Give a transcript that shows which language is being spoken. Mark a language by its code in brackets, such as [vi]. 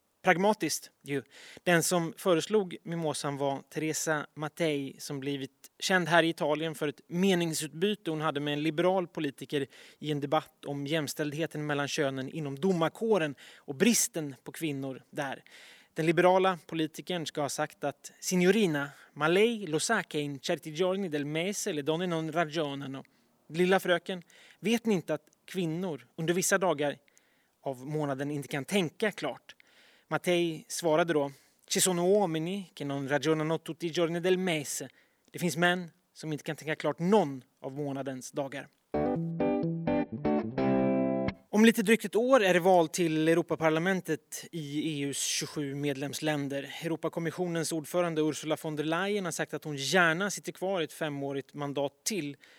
[sv] Pragmatiskt, ju. Den som föreslog mimosan var Teresa Mattei, som blivit känd här i Italien för ett meningsutbyte hon hade med en liberal politiker i en debatt om jämställdheten mellan könen inom domarkåren och bristen på kvinnor där. Den liberala politikern ska ha sagt att [it] signorina, ma lei lo sa che in certi giorni del mese eller donne non ragionano. [sv] Lilla fröken, vet ni inte att kvinnor under vissa dagar av månaden inte kan tänka klart? [it] Mattei [sv] svarade då: [it] ci sono uomini che non ragionano tutti i giorni del mese. [sv] Det finns män som inte kan tänka klart någon av månadens dagar. Om lite drygt ett år är det val till Europaparlamentet i EUs 27 medlemsländer. Europakommissionens ordförande Ursula von der Leyen har sagt att hon gärna sitter kvar i ett femårigt mandat till.